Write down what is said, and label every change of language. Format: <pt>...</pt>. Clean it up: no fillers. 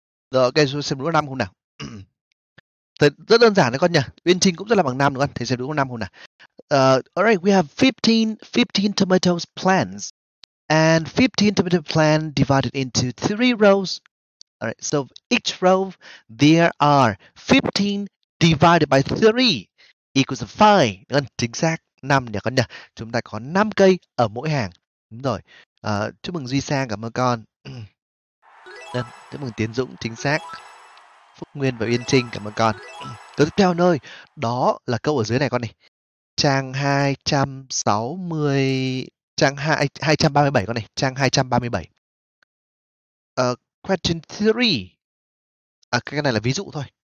<vi>Rồi, ok, xem đúng năm không nào. Thế, rất đơn giản đấy con nhỉ. Uyên Trinh cũng rất là bằng năm đúng không? Thế xem đúng năm không nào.</vi> <en>Alright, we have 15 tomato plants. And 15 tomato plants divided into 3 rows. Alright, so each row, there are 15 divided by 3 equals 5.</en> <vi>Đúng không? Chính xác, 5 nhỉ con nhỉ. Chúng ta có 5 cây ở mỗi hàng. Đúng rồi, chúc mừng Duy Sang, cảm ơn con. Chúc mừng Tiến Dũng, chính xác. Phúc Nguyên và Uyên Trinh, cảm ơn con. Câu tiếp theo nơi, đó là câu ở dưới này con này. Trang 260, trang 2, 237 con này, trang 237.</vi> <en>Question 3.</en> <vi>À, cái này là ví dụ thôi.</vi>